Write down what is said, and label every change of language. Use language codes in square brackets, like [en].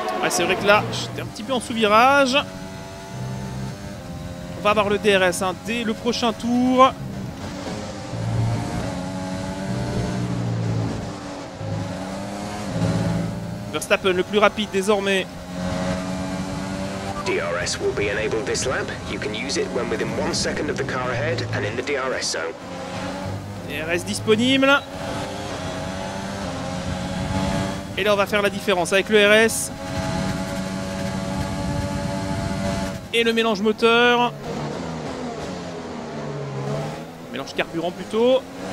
[fr] C'est vrai que là, j'étais un petit peu en sous-virage. On va avoir le DRS hein, dès le prochain tour. Verstappen le plus rapide désormais. [en] DRS will be enabled this lap. You can use it when within 1 second of the car ahead and in the DRS zone. [fr] DRS disponible. Et là, on va faire la différence avec le RS. Et le mélange moteur. Mélange carburant plutôt.